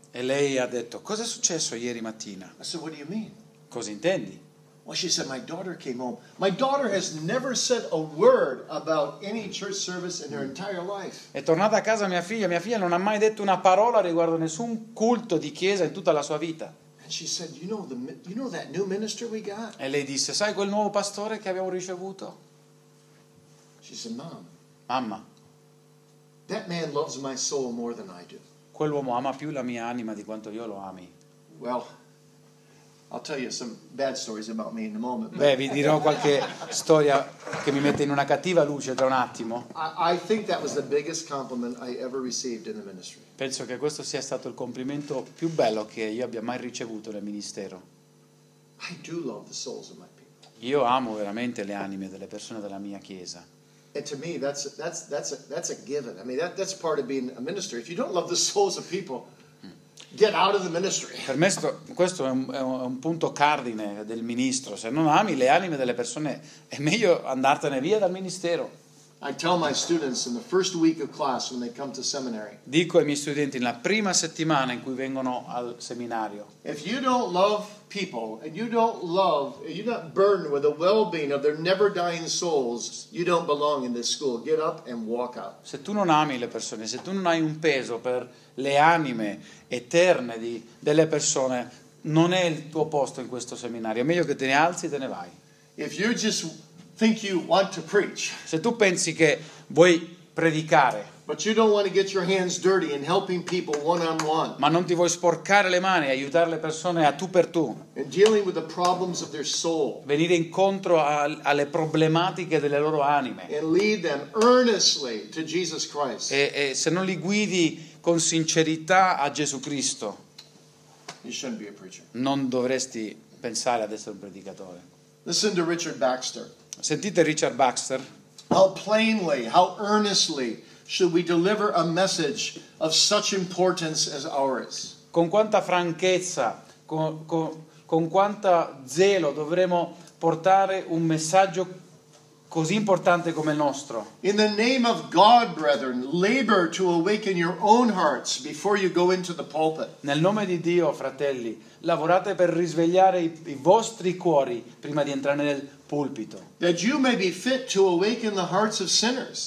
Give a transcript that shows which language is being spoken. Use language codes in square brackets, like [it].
[it] E lei ha detto, cosa è successo ieri mattina? [en] I said, what do you mean? [it] Cosa intendi? [en] Well, she said, my daughter came home. My daughter has never said a word about any church service in her entire life. [it] È tornata a casa mia figlia non ha mai detto una parola riguardo nessun culto di chiesa in tutta la sua vita. [en] And she said, you know that new minister we got? [it] E lei disse, sai quel nuovo pastore che abbiamo ricevuto? [en] She said, mom. [it] Mamma. [en] That man loves my soul more than I do. [it] Quell'uomo ama più la mia anima di quanto io lo ami. [en] Well, I'll tell you some bad stories about me in a moment. [it] Beh, vi dirò qualche storia che mi mette in una cattiva luce tra un attimo. [en] I think that was the biggest compliment I ever received in the ministry. [it] Penso che questo sia stato il complimento più bello che io abbia mai ricevuto nel ministero. [en] I do love the souls of my people. [it] Io amo veramente le anime delle persone della mia chiesa. [en] And to me, that's a given. I mean, that's part of being a minister. If you don't love the souls of people, get out of the ministry. [it] Per me questo è un punto cardine del ministro. Se non ami le anime delle persone, è meglio andartene via dal ministero. [en] I tell my students in the first week of class when they come to seminary. [it] Dico ai miei studenti nella prima settimana in cui vengono al seminario. [en] If you don't love people and you're not burned with the well-being of their never-dying souls, you don't belong in this school. Get up and walk out. [it] Se tu non ami le persone, se tu non hai un peso per le anime eterne delle persone, non è il tuo posto in questo seminario. È meglio che te ne alzi e te ne vai. [en] If you just think you want to preach. [it] Se tu pensi che vuoi predicare. [en] But you don't want to get your hands dirty in helping people one on one. [it] Ma non ti vuoi sporcare le mani, aiutare le persone a tu per tu. [en] In dealing with the problems of their soul. [it] Venire incontro alle problematiche delle loro anime. [en] And lead them earnestly to Jesus Christ. [it] E se non li guidi con sincerità a Gesù Cristo. [en] You shouldn't be a preacher. [it] Non dovresti pensare ad essere un predicatore. [en] Listen to Richard Baxter. [it] Sentite Richard Baxter. [en] How plainly, how earnestly should we deliver a message of such importance as ours? [it] Con quanta franchezza, con quanta zelo dovremo portare un messaggio così importante come il nostro. [en] In the name of God, brethren, labor to awaken your own hearts before you go into the pulpit. [it] Nel nome di Dio, fratelli, lavorate per risvegliare i vostri cuori prima di entrare nel pulpito. [en] That you may be fit to awaken the hearts of sinners.